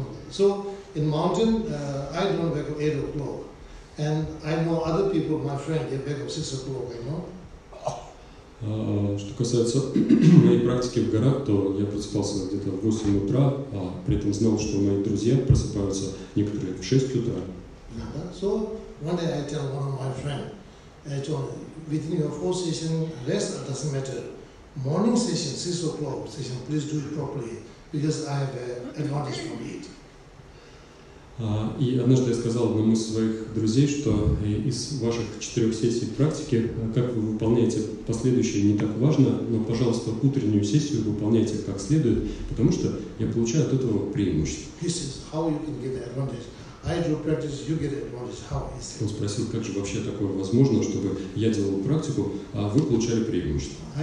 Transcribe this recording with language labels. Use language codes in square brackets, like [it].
[en] So, in mountain, I don't wake up 8 o'clock. And I know other people, my friend, they wake up 6 o'clock, you know? [ru] Что касается моей практики в горах, то я просыпался где-то в 8 утра, а при этом знал, что мои друзья просыпаются некоторые в 6 утра. [en] So, one day I tell one of my friends, I told him, within your 4 session, rest doesn't matter. Morning session, 6 o'clock session, please do it properly, because I have advantage from it. [ru] И однажды я сказал одному из своих друзей, что из ваших 4 сессий практики, как вы выполняете последующие, не так важно, но, пожалуйста, утреннюю сессию выполняйте как следует, потому что я получаю от этого преимущество. [en] He says, how you can get advantage? I do practice, you get advantage. How is it? [ru] Он спросил, как же вообще такое возможно, чтобы я делал практику, а вы получали преимущество.